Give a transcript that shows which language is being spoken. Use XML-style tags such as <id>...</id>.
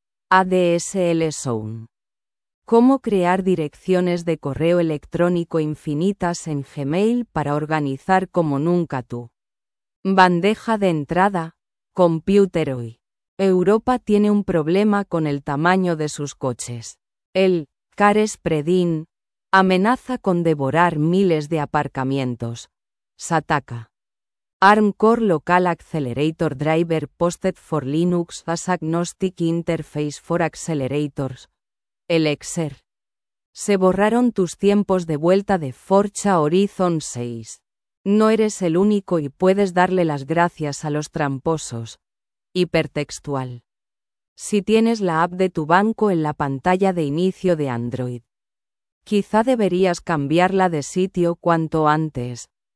<es>ADSL Sound. ¿Cómo crear direcciones de correo electrónico infinitas en Gmail para organizar como nunca tu bandeja de entrada? Computer hoy. Europa tiene un problema con el tamaño de sus coches. El Car Spreading amenaza con devorar miles de aparcamientos. Sataka.</es> <en>ARM Core Local Accelerator Driver Posted for Linux as Agnostic Interface for Accelerators. Elixir.</en> <es>Se borraron tus tiempos de vuelta de Forza Horizon 6. No eres el único y puedes darle las gracias a los tramposos. Hipertextual. Si tienes la app de tu banco en la pantalla de inicio de Android, quizá deberías cambiarla de sitio cuanto antes.</es>